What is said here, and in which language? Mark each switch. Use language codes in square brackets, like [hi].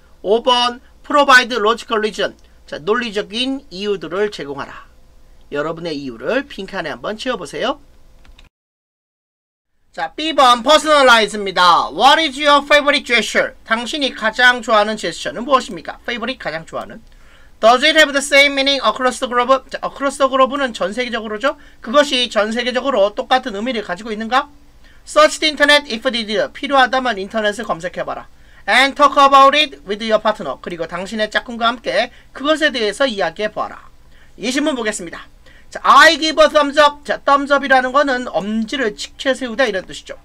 [ko] 5번 [en] provide logical reason, [ko] 자, 논리적인 이유들을 제공하라. 여러분의 이유를 빈칸에 한번 채워보세요. 자, B번 personalize입니다. [en] What is your favorite gesture? [ko] 당신이 가장 좋아하는 제스처는 무엇입니까? favorite 가장 좋아하는. [en] Does it have the same meaning across the globe? [ko] 자, across the globe는 전 세계적으로죠. 그것이 전 세계적으로 똑같은 의미를 가지고 있는가? [en] Search the internet if needed. [ko] 필요하다면 인터넷을 검색해봐라. [en] And talk about it with your partner. [ko] 그리고 당신의 짝꿍과 함께 그것에 대해서 이야기해보아라. 이 질문 보겠습니다. 자, [en] I give a thumbs up. [ko] 자, thumbs up이라는 거는 엄지를 치켜 세우다 이런 뜻이죠.